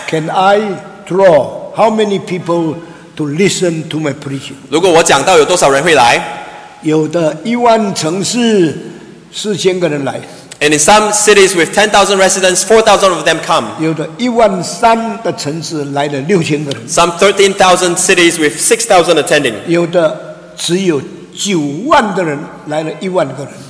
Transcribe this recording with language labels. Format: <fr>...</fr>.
<en>Can I draw how many people to listen to my preaching？</en> <zh>如果我讲到有多少人会来？有的一万城市四千个人来。</zh> <en>And in some cities with 10,000 residents, 4,000 of them come.</en> <zh>有的一万三的城市来了六千个人。</zh> <en>Some 13,000 cities with 6,000 attending.</en> <zh>有的只有九万的人来了一万个人。</zh>